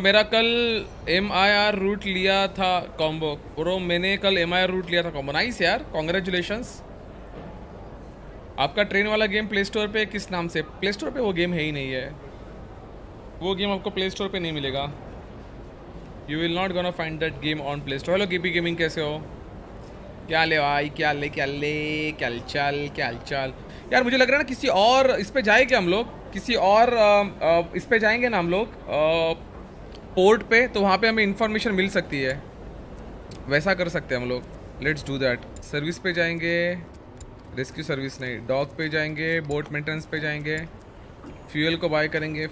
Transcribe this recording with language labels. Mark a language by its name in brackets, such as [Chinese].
[Hindi] मेरा कल MIR root लिया था कॉम्बो. ब्रो मैंने कल MIR रूट लिया था कॉम्बो. नाइस यार, कॉन्ग्रेचुलेशंस. आपका ट्रेन वाला गेम प्ले स्टोर पे किस नाम से? प्ले स्टोर पे वो गेम है ही नहीं है, वो गेम आपको प्ले स्टोर पे नहीं मिलेगा. [English] You will not gonna find that game on Play Store. Hello, Gibby Gaming, [Hindi] कैसे हो? क्या ले भाई, क्या ले क्या चाल यार. मुझे लग रहा है ना किसी और इस पर जाए क्या हम लोग, किसी और इस पर जाएंगे ना हम लोग पोर्ट पे, तो वहाँ पे हमें इन्फॉर्मेशन मिल सकती है. वैसा कर सकते हैं हम लोग. [English] Let's do that. [Hindi] सर्विस पे जाएंगे, रेस्क्यू सर्विस नहीं, डॉक पे जाएंगे, बोट मेंटेनेंस पे जाएंगे, फ्यूल को बाय करेंगे.